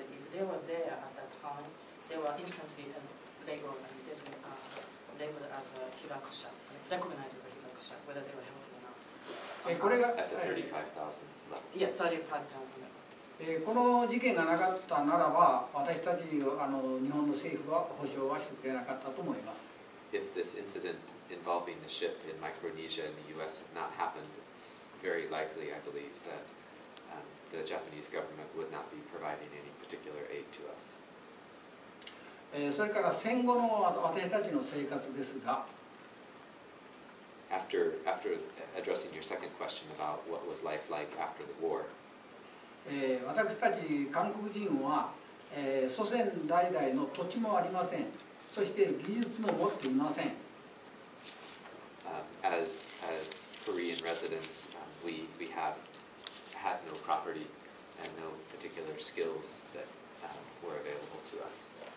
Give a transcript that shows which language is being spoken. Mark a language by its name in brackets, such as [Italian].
[English] If they were there at that time, they were instantly labeled and labeled as a Hibakusha, recognized as a Hibakusha, whether they were healthy. [Japanese] これが 35,000。この事件がなかったならば、私たち日本の政府は保証はしてくれなかったと思います。 [English] If this incident involving the ship in Micronesia in the U.S. had not happened, it's very likely, I believe, that the Japanese government would not be providing any particular aid to us. [Japanese] それから戦後の私たちの生活ですが、 [English] After addressing your second question about what was life like after the war, [Japanese] 私たち韓国人は祖先代々の土地もありません。そして技術も持っていません。 [English] As Korean residents, we had no property and no particular skills that were available to us.